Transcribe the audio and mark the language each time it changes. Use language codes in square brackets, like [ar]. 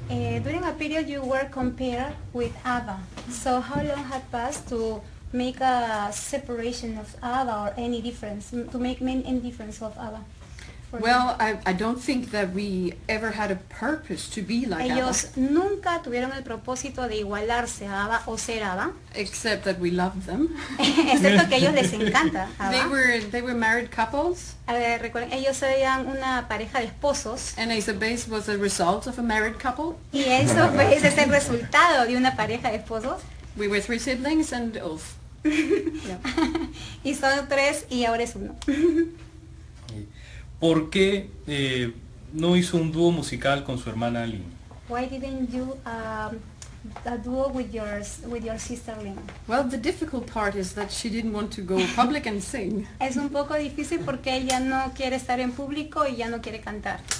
[en] During a period you were compared with ABBA. So how long had passed to make a separation of ABBA or any difference, to make any difference of ABBA? Well, I don't think that we ever had a purpose to be like [es] ellos [en] ABBA. [es] Ellos nunca tuvieron el propósito de igualarse a ABBA o ser ABBA. [en] Except that we love them. [es] Excepto que a ellos les encanta ABBA. [en] They were married couples. [es] Recuerden, ellos eran una pareja de esposos. [en] And Ace of Base was a result of a married couple. [es] Y eso fue ese es el resultado de una pareja de esposos. [en] We were three siblings and oof. [es] Y son tres y ahora es uno. ¿Por qué no hizo un dúo musical con su hermana Lynn? [en] Why didn't you a duo with your sister Lynn? Well, the difficult part is that she didn't want to go public and sing. [es] Es un poco difícil porque ella no quiere estar en público y ya no quiere cantar.